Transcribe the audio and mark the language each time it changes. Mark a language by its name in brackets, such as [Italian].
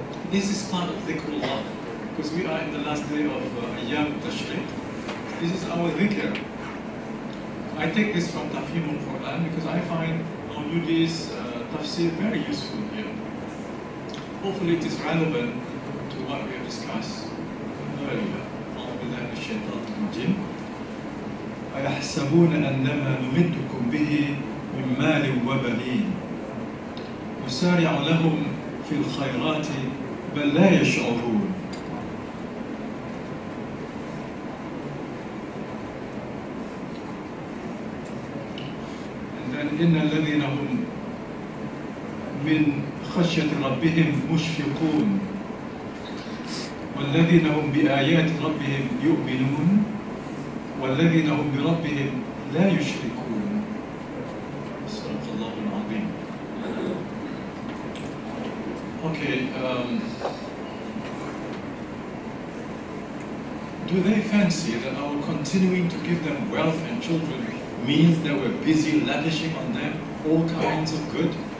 [English] This is part of Dhikrullah, because we are in the last day of Ayyam Tashreeq. This is our dhikr. I take this from Tafhim al-Quran because I find Maudoodi's tafsir very useful here. Hopefully it is relevant to what we have discussed earlier. [Arabic] A'udhu bi shaitanir rajim. أَيَحْسَبُونَ أَنَّمَا نُمِدُّكُمْ بِهِ مِنْ مَالٍ وَبَنِينَ نُسَارِعُ لَهُمْ فِي الْخَيْرَاتِ بَلْ لَا يَشْعُرُونَ إن الذين هم من خشية ربهم مشفقون والذين هم بآيات ربهم يؤمنون والذين هم بربهم لا يشركون. صدق الله العظيم. [English] Okay, do they fancy that our continuing to give them wealth and children means that we're busy lavishing on them all kinds of good?